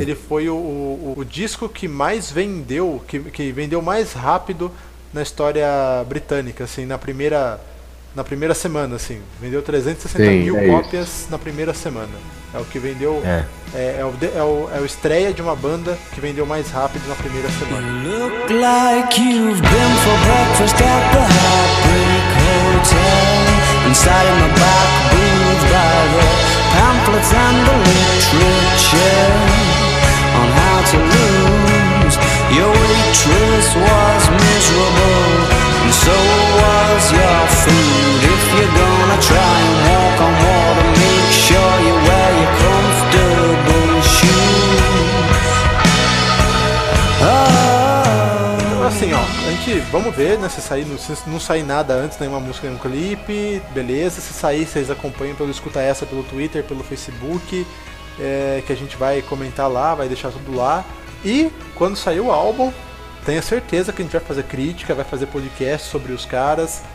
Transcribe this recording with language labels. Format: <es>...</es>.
<pt>Ele foi o disco que mais vendeu, que vendeu mais rápido na história britânica, assim, na primeira semana, assim. Vendeu 360 Sim, mil é cópias isso. Na primeira semana. É o que vendeu. É a estreia de uma banda que vendeu mais rápido na primeira semana.</pt> <en>You look like you've been for breakfast at the Heartbreak Hotel. Inside of my back booth by the pamphlets and the literature on how to lose. Your waitress was miserable, and so was your food. If you're gonna try and walk on water, make sure you wear your comfortable shoes. Oh.</en> <pt>Assim, ó, vamos ver, né, se não sair nada antes, nenhuma música, nenhum clipe, beleza. Se sair, vocês acompanham pelo Escuta Essa, pelo Twitter, pelo Facebook, que a gente vai comentar lá, vai deixar tudo lá. E quando sair o álbum, tenha certeza que a gente vai fazer crítica, vai fazer podcast sobre os caras.</pt>